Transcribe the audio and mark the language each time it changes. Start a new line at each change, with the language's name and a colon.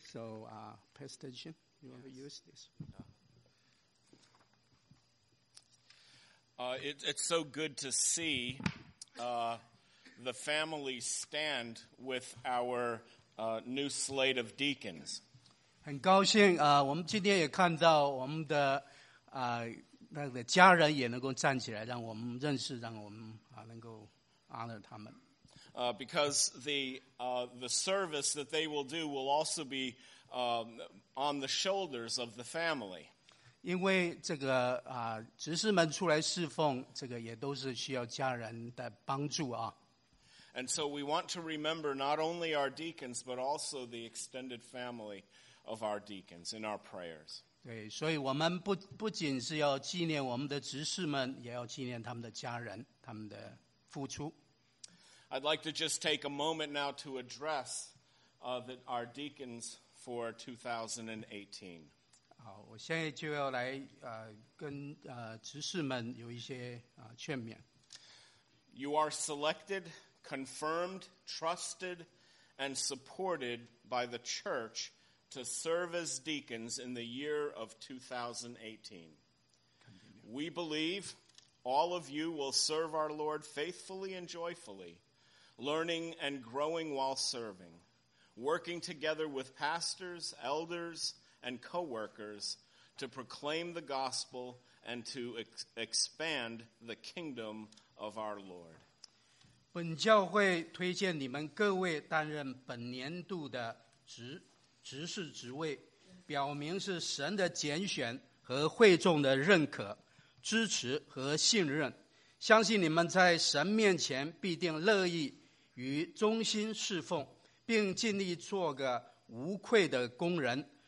English: So, Pastor Jim, you want to use this? It's so good to see the family stand with our new slate of deacons.
Chinese: 很高兴我们今天也看到我们的那个家人也能够站起来，让我们认识，让我们能够
English: honor
Chinese: 他们。
English: Because the service that they will do will also be on the shoulders of the family.
Chinese: 因为这个执事们出来侍奉，这个也都是需要家人的帮助啊。
English: And so we want to remember not only our deacons but also the extended family. Of our deacons in our prayers.
Chinese: 对，所以我们不仅是要纪念我们的执事们，也要纪念他们的家人，他们的付出。
English: I'd like to just take a moment now to address our deacons for 2018.
Chinese: 好，我现在就要来跟执事们有一些劝勉。
English: You are selected, confirmed, trusted, and supported by the church. To serve as deacons in the year of 2018. We believe all of you will serve our Lord faithfully and joyfully, learning and growing while serving, working together with pastors, elders, and co-workers to proclaim the gospel and to expand the kingdom of our Lord.
Chinese: 本教会推荐你们各位担任本年度的执事职位，表明是神的拣选和会众的认可、支持和信任。相信你们在神面前必定乐意与忠心侍奉，并尽力做个无愧的工人。